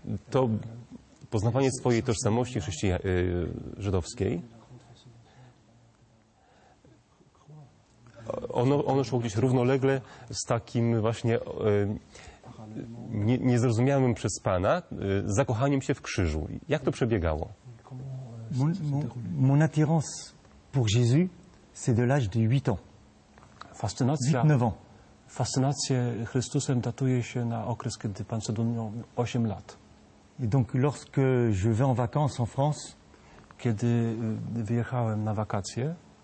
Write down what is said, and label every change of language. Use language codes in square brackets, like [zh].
[pl] To poznawanie swojej tożsamości żydowskiej. Ono szło gdzieś równolegle z takim właśnie niezrozumiałym przez pana zakochaniem się w krzyżu. Jak to przebiegało? [fr] Mon attirance pour Jésus, c'est de l'âge de 8 ans. [pl] Fascynacja. 8-9 ans. Fascynacja Chrystusem datuje się na okres, kiedy pan Sedbon miał 8 lat. [fr] Et donc lorsque je vais en vacances en France, [pl] kiedy wyjechałem na wakacje,